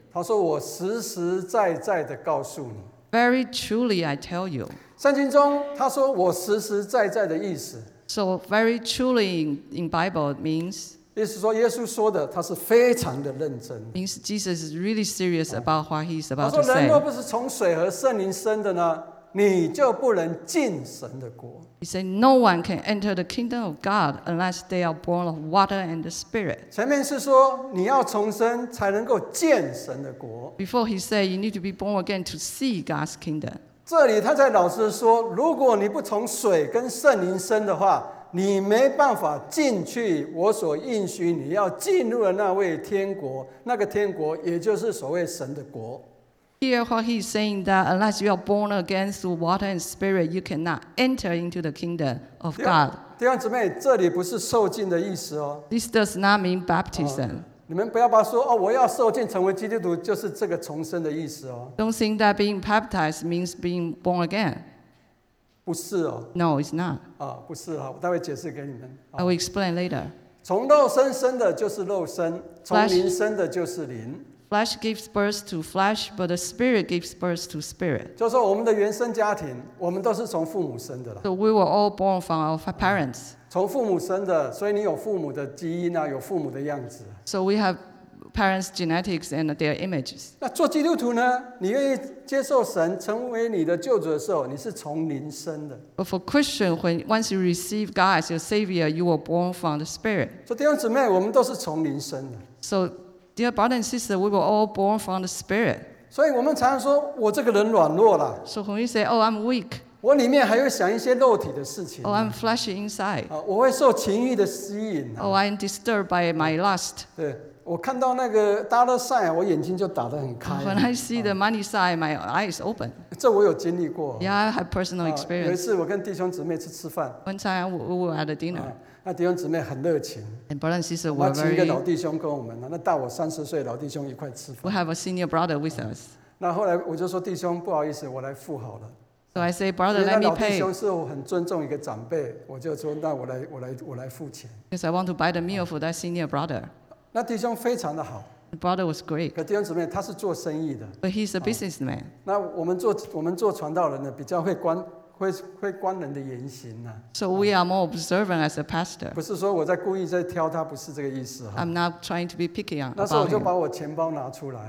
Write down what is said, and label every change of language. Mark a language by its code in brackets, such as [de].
[zh] 他说我实实在在的告诉你。 [en] Very truly I tell you. [zh] 圣经中他说我实实在在的意思。 [en] So very truly in Bible means. [zh] 意思说耶稣说的他是非常的认真。 [en] Means Jesus is really serious about what he's about to say. [zh] 他说人若不是从水和圣灵生的呢你就不能进神的国。 [en] He said, no one can enter the kingdom of God unless they are born of water and the Spirit. [zh] 前面是说你要重生才能够见神的国。 [en] Before he said, you need to be born again to see God's kingdom. [zh] 这里他在老师说如果你不从水跟圣灵生的话你没办法进去我所应许你要进入的那位天国那个天国也就是所谓神的国。 [en] Here, what he's saying that unless you are born again through water and spirit, you cannot enter into the kingdom of God. [zh] 弟兄姊妹，这里不是受浸的意思哦。 [en] This does not mean baptism. [zh] 你们不要把说哦，我要受浸成为基督徒，就是这个重生的意思哦。 [en] Don't think that being baptized means being born again. [zh] 不是哦。 [en] No, it's not. [zh] 不是啊，我待会解释给你们。 [en] I will explain later. [zh] 从肉身生的就是肉身，从灵生的就是灵。 [en] Flesh gives birth to flesh, but the spirit gives birth to spirit. [zh] 就是说我们的原生家庭，我们都是从父母生的了。 [en] So we were all born from our parents. [zh] 从父母生的，所以你有父母的基因啊，有父母的样子。 [en] So we have parents' genetics and their images. [zh] 那做基督徒呢？你愿意接受神成为你的救主的时候，你是从灵生的。 [en] But for Christian, when once you receive God as your Savior, you were born from the spirit. [zh] 所以弟兄姊妹，我们都是从灵生的。 [en] So Dear brother and sister, we were all born from the Spirit. [zh] 所以我们常说，我这个人软弱了。 [en] So when we say, oh, I'm weak. [zh] 我里面还会想一些肉体的事情。 [en] Oh, I'm flesh inside. [zh] 我会受情欲的吸引。 [en] Oh, I'm disturbed by my lust. [zh] 对，我看到那个达勒赛，我眼睛就打得很开。 [en] When I see the money sign, my eyes open. [zh] 这我有经历过。 [en] Yeah, I have personal experience. [zh] 有一次我跟弟兄姊妹去吃饭。 [en] One time we were at a dinner. [zh] 那弟兄姊妹很热情。 [en] And brother and sister were very. [zh] 我请一个老弟兄跟我们，那大我三十岁老弟兄一块吃饭。 [en] We have a senior brother with us. [zh] 那后来我就说弟兄不好意思，我来付好了。 [en] So I say, brother, let me pay. [zh] 老弟兄是我很尊重一个长辈，我就说那我来付钱。 [en] Because I want to buy the meal for that senior brother. [zh] 那弟兄非常的好。 [en] The brother was great. [zh] 可弟兄姊妹他是做生意的。 [en] But he's a businessman. [zh] 那我们做传道人的比较会关。会观人的言行啊。 [en] So we are more observant as a pastor. [zh] 不是说我在故意在挑他，不是这个意思。 [en] I'm not trying to be picky on. [zh] 那时候我就把我钱包拿出来。